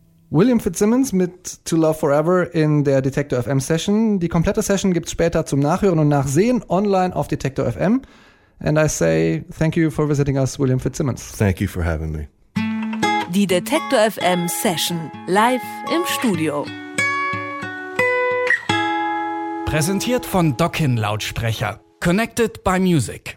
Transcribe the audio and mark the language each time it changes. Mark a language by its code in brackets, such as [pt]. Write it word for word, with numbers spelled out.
[de] William Fitzsimmons mit To Love Forever in der Detektor F M Session. Die komplette Session gibt's später zum Nachhören und Nachsehen online auf Detektor F M. [en] And I say thank you for visiting us, William Fitzsimmons. Thank you for having me. [de] Die Detektor F M Session live im Studio. Präsentiert von Dockin Lautsprecher. [en] Connected by Music.